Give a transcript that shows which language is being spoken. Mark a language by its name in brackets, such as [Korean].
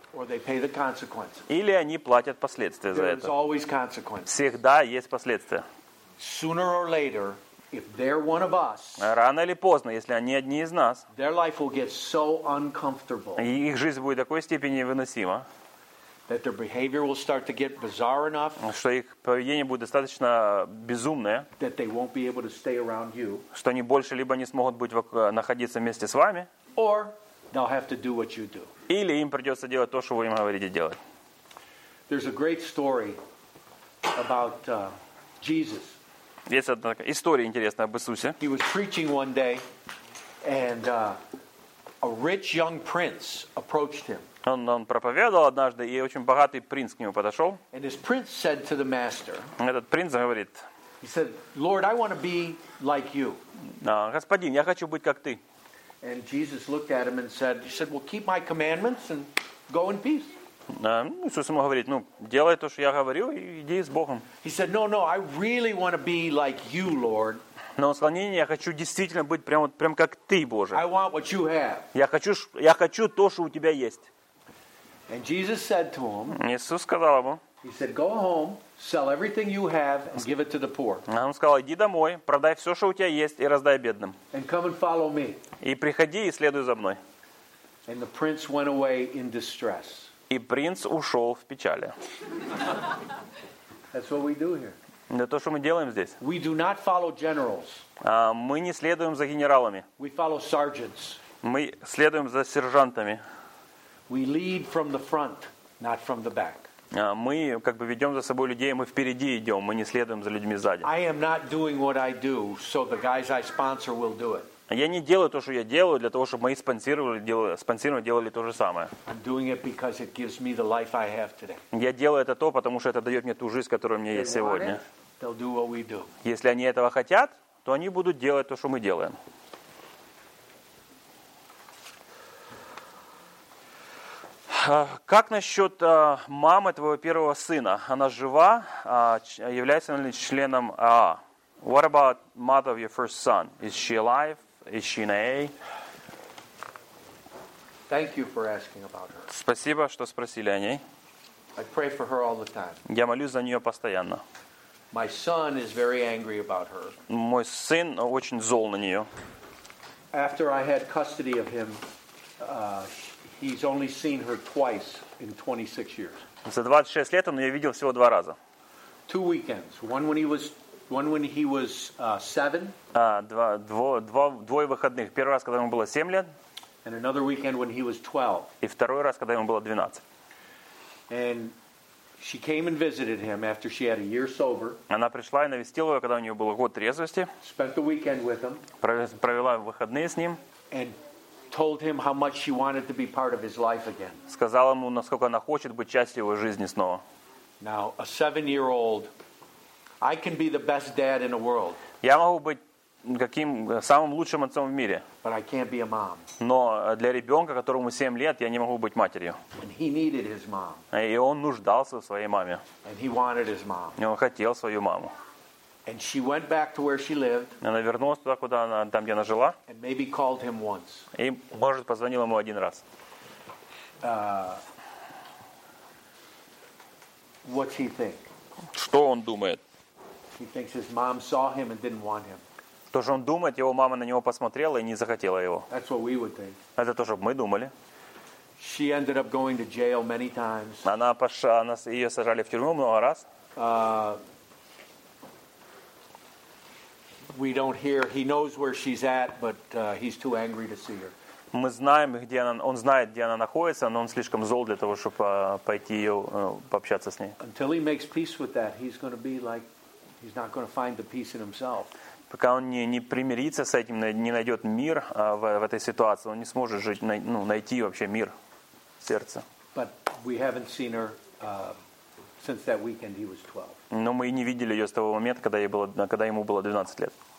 [English] Or they pay the consequences. [Russian] Или они платят последствия за это. [English] There is always consequences. [Russian] Всегда есть последствия. [English] Sooner or later, if they're one of us. [Russian] Рано или поздно, если они одни из нас. [English] Their life will get so uncomfortable. [Russian] Их жизнь будет такой степени невыносима. [English] That their behavior will start to get bizarre enough. [Russian] Что их поведение будет достаточно безумное. [English] That they won't be able to stay around you. [Russian] Что они больше либо не смогут находиться вместе с вами. [English] Or they'll have to do what you do. [Russian] Или им придется делать то, что вы им говорите делать. [English] There's a great story about Jesus. [Russian] Есть одна такая история интересная об Иисусе. [English] He was preaching one day, and a rich young prince approached him. [Russian] Он проповедовал однажды, и очень богатый принц к нему подошел. [English] And his prince said to the master, [Russian] этот принц говорит, [English] he said, Lord, I want to be like you. [Russian] Господин, я хочу быть как ты. [English] And Jesus looked at him and said, he said, well, keep my commandments and go in peace. [Russian] Иисус ему говорит, делай то, что я говорю, и иди с Богом. [English] He said, no, I really want to be like you, Lord. [Russian] Но он сказал, не, я хочу действительно быть прям как ты, Боже. [English] I want what you have. [Russian] Я хочу то, что у тебя есть. [English] And Jesus said to him. [Russian] Иисус сказал ему. [English] He said, "Go home, sell everything you have, and give it to the poor." [Russian] А он сказал, иди домой, продай все, что у тебя есть, и раздай бедным. [English] And come and follow me. [Russian] И приходи и следуй за мной. [English] And the prince went away in distress. [Russian] И принц ушел в печали. [English] That's what we do here. [Russian] Это то, что мы делаем здесь. [English] We do not follow generals. [Russian] Мы не следуем за генералами. [English] We follow sergeants. [Russian] Мы следуем за сержантами. [English] We lead from the front, not from the back. [Russian] Мы как бы ведем за собой людей, мы впереди идем, мы не следуем за людьми сзади. [English] I am not doing what I do, so the guys I sponsor will do it. [Russian] Я не делаю то, что я делаю, для того, чтобы мои спонсировали, делали то же самое. [English] I'm doing it because it gives me the life I have today. [Russian] Я делаю это то, потому что это дает мне ту жизнь, которая у меня есть сегодня. [English] They'll do what we do. [Russian] Если они этого хотят, то они будут делать то, что мы делаем. Как насчет мамы твоего первого сына? Она жива? Является ли членом АА? [English] What about mother of your first son? Is she alive? Is she in AA? Thank you for asking about her. [Russian] Спасибо, что спросили о ней. [English] I pray for her all the time. [Russian] Я молюсь за нее постоянно. [English] My son is very angry about her. [Russian] Мой сын очень зол на нее. [English] After I had custody of him, he's only seen her twice in 26 years. [Russian] За 26 лет он ее видел всего два раза. [English] Two weekends. One when he was 7. [Russian] Двое выходных. Первый раз, когда ему было 7 лет. [English] And another weekend when he was 12. [Russian] И второй раз, когда ему было 12. [English] And she came and visited him after she had a year sober. [Russian] Она пришла и навестила его, когда у нее было год трезвости. [English] Spent the weekend with him. [Russian] Провела выходные с ним. [English] And told him how much she wanted to be part of his life again. [Russian] Сказала ему, насколько она хочет быть частью его жизни снова. [English] Now, a 7-year-old, I can be the best dad in the world. [Russian] Я могу быть каким самым лучшим отцом в мире. [English] But I can't be a mom. [Russian] Но для ребенка, которому 7 лет, я не могу быть матерью. [English] And he needed his mom. [Russian] И он нуждался в своей маме. [English] And he wanted his mom. [Russian] И он хотел свою маму. [English] And she went back to where she lived. [Russian] Она вернулась туда, куда она, там, где она жила. [English] And maybe called him once. [Russian] И, может, позвонила ему один раз. [English] What's he think? [Russian] Что он думает? [English] He thinks his mom saw him and didn't want him. [Russian] То, что он думает, его мама на него посмотрела и не захотела его. [English] That's what we would think. [Russian] Это то, что мы думали. [English] She ended up going to jail many times. [Russian] Она пошла, ее сажали в тюрьму много раз. [English] We don't hear. He knows where she's at, but he's too angry to see her. [Russian] Мы знаем, где она. Он знает, где она находится, но он слишком зол для того, чтобы пойти ее пообщаться с ней. [English] Until he makes peace with that, he's going to be like he's not going to find the peace in himself. [Russian] Пока он не примирится с этим, не найдет мир в этой ситуации, он не сможет жить, найти вообще мир в сердце. [English] But we haven't seen her. Since that weekend, he was 12. [Russian] Но мы и не видели ее с того момента, когда ему было 12 лет.